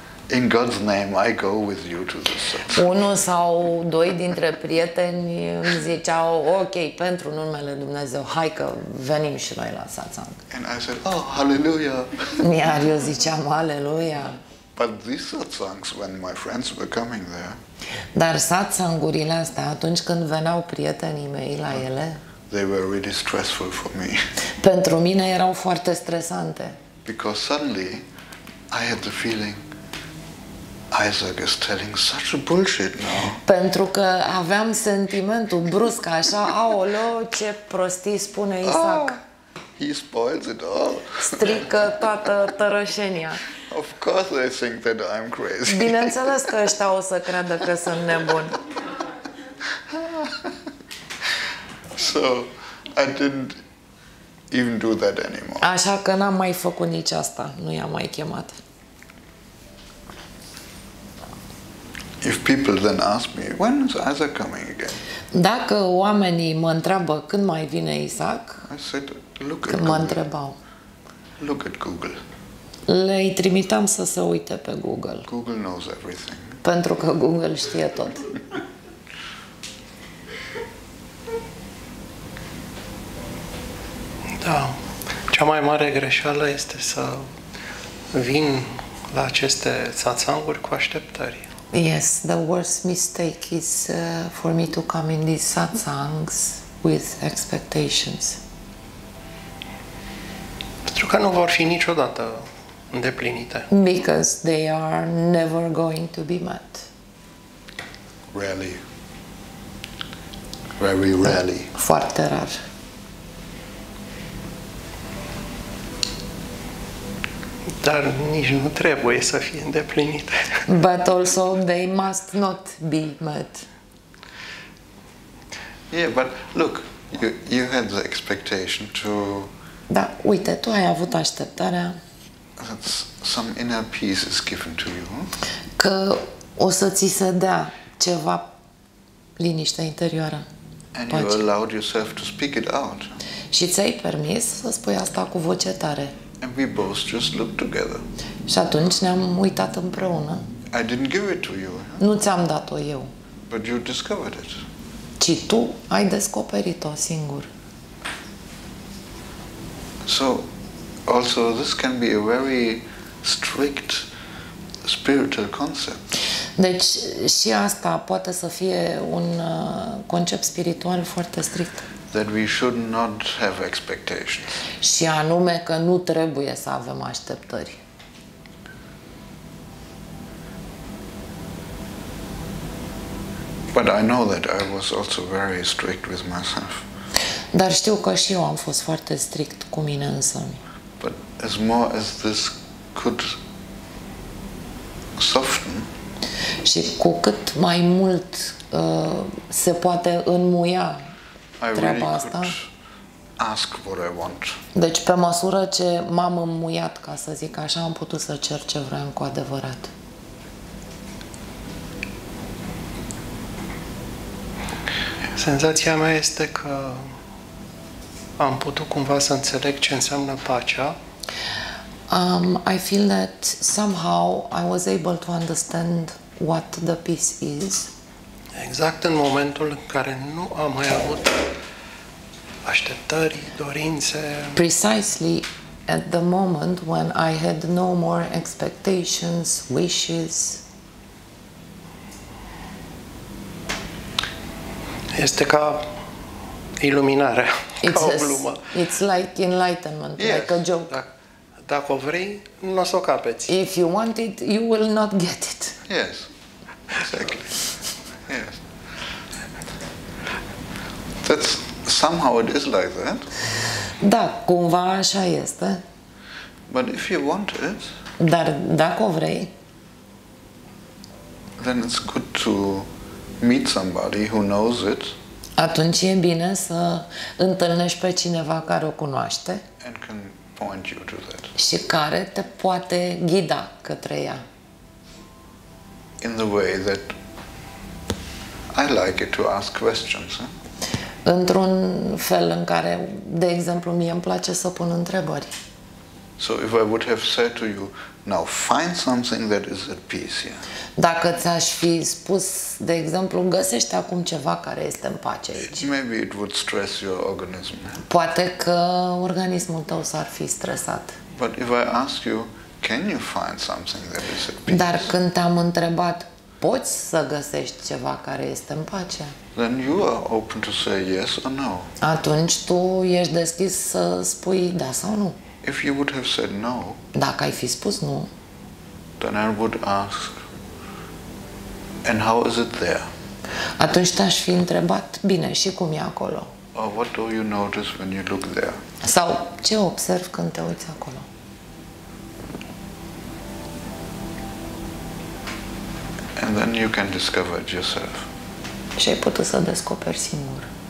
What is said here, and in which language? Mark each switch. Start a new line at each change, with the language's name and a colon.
English: In God's name, I go with you to the surf.
Romanian: Unul sau doi dintre prieteni ziceau, ok, pentru numele Dumnezeu, hai că venim și noi la satsang.
English: And I said, oh, hallelujah.
Romanian: Iar eu ziceam, aleluia.
English: But these satsangs, when my friends were coming there,
Romanian: dar satsangurile astea, atunci când veneau prietenii mei la ele,
English: they were really stressful for me.
Romanian: Pentru mine erau foarte stresante.
English: Because suddenly, I had the feeling, Isaac is telling such a bullshit now.
Romanian: Pentru că aveam sentimentul brusc așa, aolo, ce prostii spune Isaac.
English: Oh, he spoils it all.
Romanian: Strică toată tărășenia.
English: Of course they think that I'm crazy.
Romanian: Bineînțeles că ăștia o să creadă că sunt nebun.
English: So, I didn't even do that anymore.
Romanian: Așa că n-am mai făcut nici asta, nu i-am mai chemat.
English: If people then ask me, when is Isaac coming again?
Romanian: Dacă oamenii mă întreabă când mai vine Isaac,
English: I said, look at
Romanian: când mă întrebau,
English: look at Google.
Romanian: Le trimiteam să se uite pe Google.
English: Google knows everything.
Romanian: Pentru că Google știe tot. Da. Cea mai mare greșeală este să vin la aceste satsanguri cu așteptări.
English: Yes, the worst mistake is for me to come in these satsangs with expectations.
Romanian: Pentru că nu vor fi niciodată îndeplinite.
English: Because they are never going to be met. Rarely. Very rarely.
Romanian: Foarte rar. Dar nici nu trebuie să fie îndeplinite.
English: But also they must not be met. Yeah, but look, you had the expectation to...
Romanian: Da, uite, tu ai avut așteptarea...
English: That some inner peace is given to you.
Romanian: Că o să ți se dea ceva liniște interioară.
English: And pace. You allowed yourself to speak it out.
Romanian: Și ți-ai permis să spui asta cu voce tare.
English: And we both just looked together.
Romanian: Și atunci ne-am uitat împreună.
English: I didn't give it to you.
Romanian: Nu ți-am dat-o eu.
English: But you discovered it.
Romanian: Ci tu ai descoperit-o singur.
English: So, also this can be a very strict spiritual concept.
Romanian: Deci și asta poate să fie un concept spiritual foarte strict.
English: That we should not have expectations.
Romanian: Și anume că nu trebuie să avem așteptări.
English: But I know that I was also very strict with myself.
Romanian: Dar știu că și eu am fost foarte strict cu mine însămi.
English: But as more as this could soften.
Romanian: Și cu cât mai mult se poate înmuia.
English: I really
Romanian: asta.
English: Could ask what I want.
Romanian: Deci pe măsură ce m-am înmuiat, ca să zic așa, am putut să cer ce vreau cu adevărat. Senzația mea este că am putut cumva să înțeleg ce înseamnă pacea.
English: I feel that somehow I was able to understand what the peace is.
Romanian: Exact în momentul în care nu am mai avut așteptări, dorințe.
English: Precisely at the moment when I had no more expectations, wishes.
Romanian: Este ca iluminarea, ca o glumă.
English: It's like enlightenment, yes. Like a joke.
Romanian: Dacă o vrei, nu o să o capeți.
English: If you want it, you will not get it. Yes, exactly. Yes. That's somehow it is like that.
Romanian: Da, cumva așa este.
English: But if you want it,
Romanian: dar dacă o vrei,
English: then it's good to meet somebody who knows it.
Romanian: Atunci e bine să întâlnești pe cineva care o cunoaște.
English: And can point you to that.
Romanian: Și care te poate ghida către ea.
English: In the way that I like it to ask questions. Eh?
Romanian: Într-un fel în care, de exemplu, mie îmi place să pun întrebări.
English: So if I would have said to you, now find something that is at peace here.
Romanian: Dacă ți-aș fi spus, de exemplu, găsește acum ceva care este în pace aici.
English: Maybe it would stress your organism.
Romanian: Poate că organismul tău s-ar fi stresat.
English: But if I ask you, can you find something that is at peace?
Romanian: Dar când te-am întrebat, poți să găsești ceva care este în pace?
English: Then you are open to say yes or no.
Romanian: Atunci tu ești deschis să spui da sau nu.
English: If you would have said no,
Romanian: dacă ai fi spus nu,
English: then I would ask, and how is it there?
Romanian: Atunci te-aș fi întrebat, bine, și cum e acolo?
English: Or what do you notice when you look there?
Romanian: Sau ce observ când te uiți acolo?
English: And then you can discover it yourself.
Romanian: Și ai putut să descoperi singur.